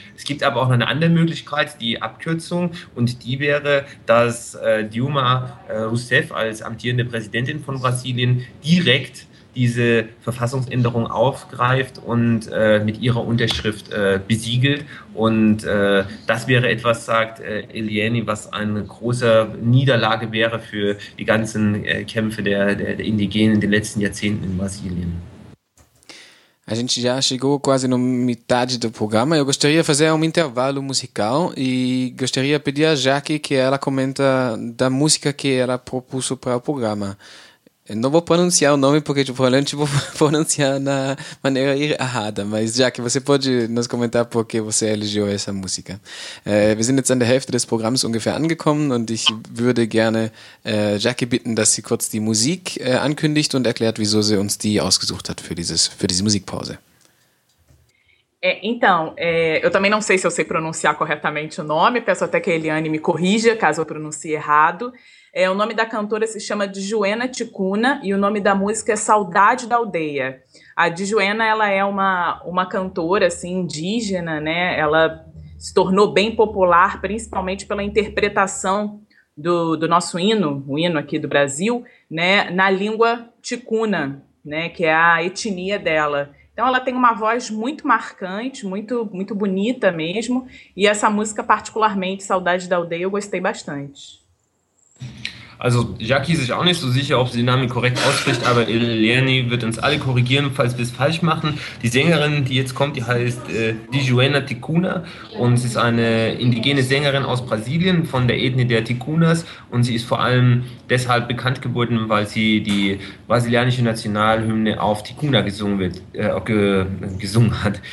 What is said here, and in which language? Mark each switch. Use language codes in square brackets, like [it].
[de] Es gibt aber auch noch eine andere Möglichkeit, die Abkürzung, und die wäre, dass Dilma Rousseff als amtierende Präsidentin von Brasilien direkt diese Verfassungsänderung aufgreift und mit ihrer Unterschrift besiegelt. Und das wäre etwas, sagt Eliane, was eine große Niederlage wäre für die ganzen Kämpfe der Indigenen in den letzten Jahrzehnten in Brasilien. [pt] A gente já chegou quase na metade do programa. Eu gostaria de fazer um intervalo musical e gostaria de pedir a Jaque que ela comente da música que ela propôs para o programa. Eu não vou pronunciar o nome porque provavelmente vou pronunciar na maneira errada, mas já que você pode nos comentar por que você elegeu essa música. [de] Wir sind jetzt an der Hälfte des Programms ungefähr angekommen und ich würde gerne Jackie bitten, dass sie kurz die Musik ankündigt und erklärt, wieso sie uns die ausgesucht hat für diese Musikpause. [pt] Eu também não sei se eu sei pronunciar corretamente o nome, peço até que a Eliane me corrija caso eu pronuncie errado. O nome da cantora se chama Djuena Ticuna e o nome da música é Saudade da Aldeia. A Djuena, ela é uma cantora assim, indígena, né? Ela se tornou bem popular, principalmente pela interpretação do nosso hino, o hino aqui do Brasil, né? Na língua Ticuna, né? Que é a etnia dela. Então ela tem uma voz muito marcante, muito, muito bonita mesmo, e essa música particularmente, Saudade da Aldeia, eu gostei bastante. [de] Also Jackie ist sich auch nicht so sicher, ob sie den Namen korrekt ausspricht, aber Eleni wird uns alle korrigieren, falls wir es falsch machen. Die Sängerin, die jetzt kommt, die heißt Dijuena Ticuna und sie ist eine indigene Sängerin aus Brasilien von der Ethnie der Ticunas und sie ist vor allem deshalb bekannt geworden, weil sie die brasilianische Nationalhymne auf Ticuna gesungen hat.